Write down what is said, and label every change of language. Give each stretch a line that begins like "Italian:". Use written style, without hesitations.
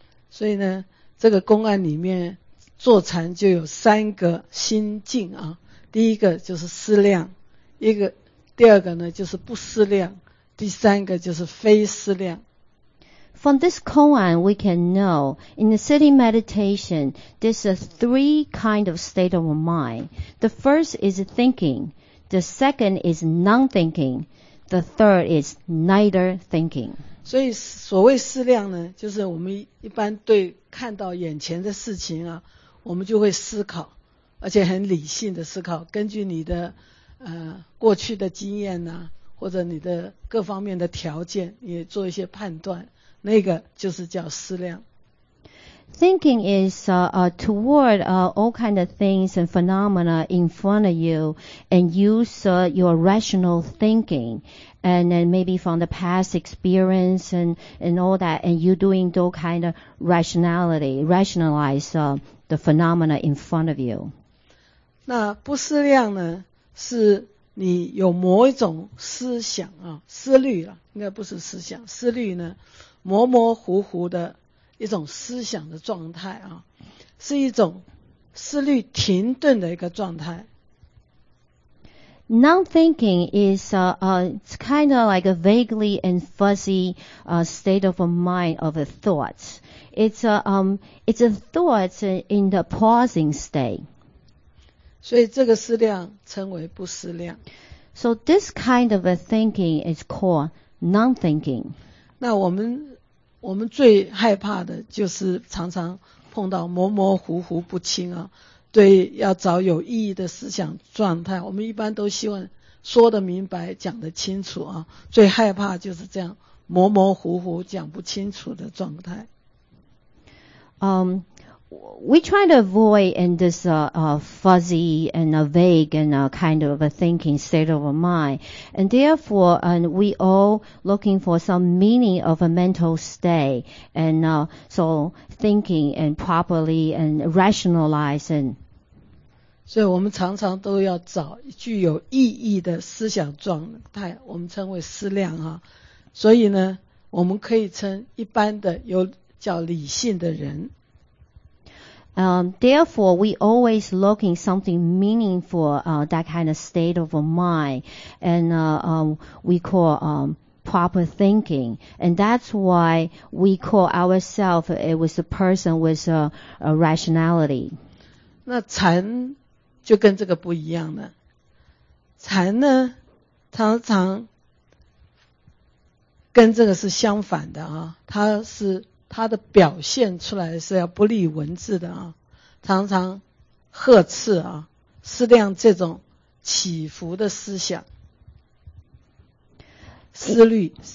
Chinese: 所以呢，这个公案里面坐禅就有三个心境啊，第一个就是思量，第二个呢就是不思量，第三个就是非思量。
English: From this koan, we can know in the sitting meditation, there's a three kind of state of mind. The first is thinking, the second is non-thinking, the third is neither thinking.
Chinese: 所以所谓思量呢，就是我们一般对看到眼前的事情啊。我们就会思考，而且很理性的思考，根据你的过去的经验呐、啊，或者你的各方面的条件，也做一些判断，那个就是叫思量。
English: Thinking is toward all kind of things and phenomena in front of you, and use your rational thinking, and then maybe from the past experience and all that, and you doing those kind of rationalize. The phenomena in front of you.
Chinese: 那不思量呢，是你有某一种思想啊，思虑啊，应该不是思想，思虑呢，模模糊糊的一种思想的状态啊，是一种思虑停顿的一个状态。
English: Non-thinking is kind of like a vaguely and fuzzy state of a mind of a thought. It's a thought in the pausing state.
Chinese: 所以这个思量称为不思量。
English: So this kind of a thinking is called non-thinking.
Chinese: 那我们我们最害怕的就是常常碰到模模糊糊不清啊。对，要找有意义的思想状态，我们一般都希望说得明白，讲得清楚啊。最害怕就是这样模模糊糊讲不清楚的状态。
English: We try to avoid in this fuzzy and vague and kind of a thinking state of mind. And therefore, and we all looking for some meaning of a mental state and so thinking and properly and rationalizing.
Chinese: 所以我们常常都要找具有意义的思想状态，我们称为思量啊。所以呢，我们可以称一般的有叫理性的人。
English: Therefore, we always looking something meaningful, that kind of state of mind, and we call proper thinking, and that's why we call ourselves it was a person with a rationality.
Chinese: 那禅就跟这个不一样了。禅呢，常常跟这个是相反的啊，它是它的表现出来是要不利文字的啊。常常呵斥啊，思量这种起伏的思想、思虑。